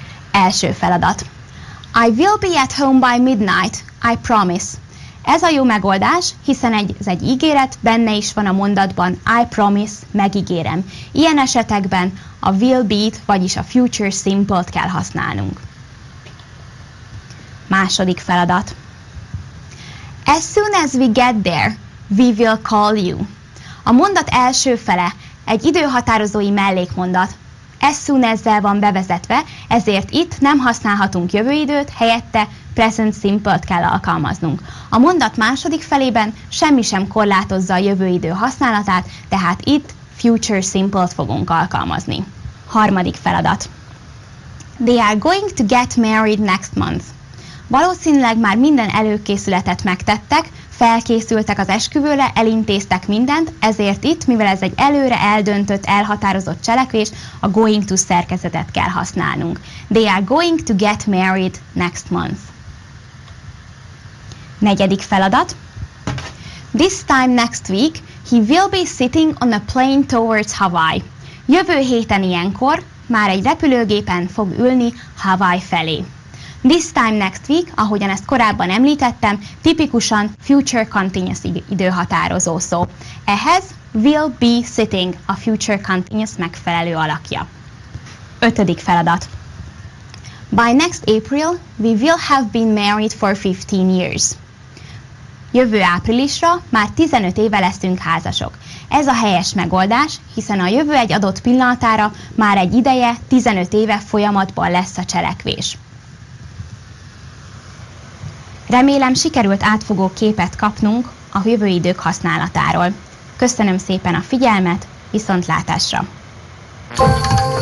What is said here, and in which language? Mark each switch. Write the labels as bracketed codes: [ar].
[hu] Első feladat. [en] I will be at home by midnight, I promise. [hu] Ez a jó megoldás, hiszen ez egy ígéret, benne is van a mondatban [en] I promise, [hu] megígérem. Ilyen esetekben a will be-t, vagyis a future simple-t kell használnunk. Második feladat. [en] As soon as we get there, we will call you. [hu] A mondat első fele egy időhatározói mellékmondat. As soon as-zel van bevezetve, ezért itt nem használhatunk jövőidőt, helyette present simple-t kell alkalmaznunk. A mondat második felében semmi sem korlátozza a jövőidő használatát, tehát itt future simple-t fogunk alkalmazni. Harmadik feladat. [en] They are going to get married next month. [hu] Valószínűleg már minden előkészületet megtettek, felkészültek az esküvőre, elintéztek mindent, ezért itt, mivel ez egy előre eldöntött, elhatározott cselekvés, a going to szerkezetet kell használnunk. [en] They are going to get married next month. [hu] Negyedik feladat. [en] This time next week, he will be sitting on a plane towards Hawaii. [hu] Jövő héten ilyenkor már egy repülőgépen fog ülni Hawaii felé. [en] This time next week, [hu] ahogyan ezt korábban említettem, tipikusan future continuous időhatározó szó. Ehhez will be sitting a future continuous megfelelő alakja. Ötödik feladat. [en] By next April, we will have been married for 15 years. [hu] Jövő áprilisra már 15 éve leszünk házasok. Ez a helyes megoldás, hiszen a jövő egy adott pillanatára már egy ideje, 15 éve folyamatban lesz a cselekvés. Remélem, sikerült átfogó képet kapnunk a jövőidők használatáról. Köszönöm szépen a figyelmet, viszontlátásra!